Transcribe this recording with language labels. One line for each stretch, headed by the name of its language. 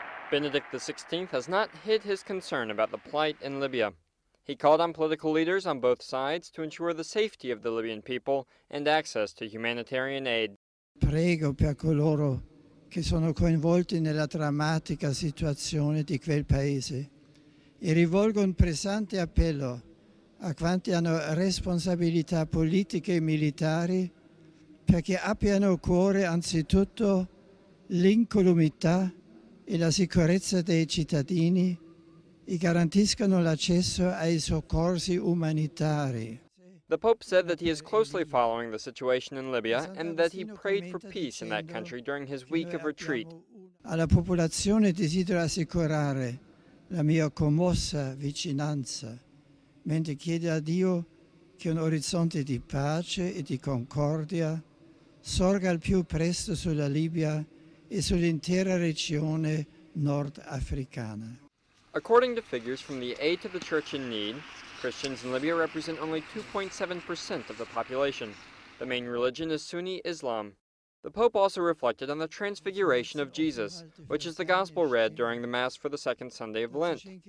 English: Benedict XVI has not hid his concern about the plight in Libya. He called on political leaders on both sides to ensure the safety of the Libyan people and access to humanitarian aid.
Italian: Prego per coloro che sono coinvolti nella drammatica situazione di quel paese e rivolgo un pressante appello a quanti hanno responsabilità politiche e militari perché abbiano cuore anzitutto l'incolumità e la sicurezza dei cittadini e garantiscano l'accesso ai soccorsi umanitari.
English: The Pope said that he is closely following the situation in Libya and that he prayed for peace in that country during his week of retreat.
Italian: Alla popolazione desidero assicurare la mia commossa vicinanza, mentre chiedo a Dio che un orizzonte di pace e di concordia sorga al più presto sulla Libia e sull'intera regione nordafricana.
English: According to figures from the Aid to the Church in Need, Christians in Libya represent only 2.7% of the population. The main religion is Sunni Islam. The Pope also reflected on the Transfiguration of Jesus, which is the gospel read during the Mass for the second Sunday of Lent.